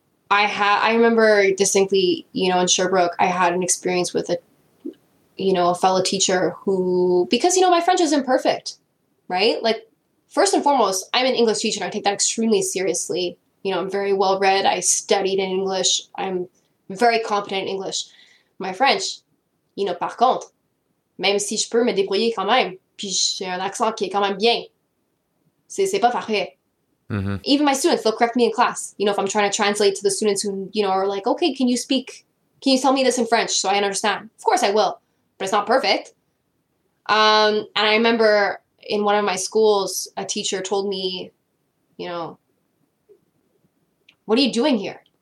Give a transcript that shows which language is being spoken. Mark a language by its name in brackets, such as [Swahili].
[English] I remember distinctly, you know, in Sherbrooke, I had an experience with a fellow teacher who, because, you know, my French isn't perfect, right? Like, first and foremost, I'm an English teacher, and I take that extremely seriously. You know, I'm very well read. I studied in English. I'm very competent in English. My French, you know, [French] par contre, même si je peux me débrouiller quand même, puis j'ai un accent qui est quand même bien, c'est pas parfait. Mm-hmm. [English] Even my students, they'll correct me in class. You know, if I'm trying to translate to the students who, you know, are like, okay, can you tell me this in French so I understand? Of course I will, but it's not perfect. And I remember in one of my schools, a teacher told me, you know, what are you doing here?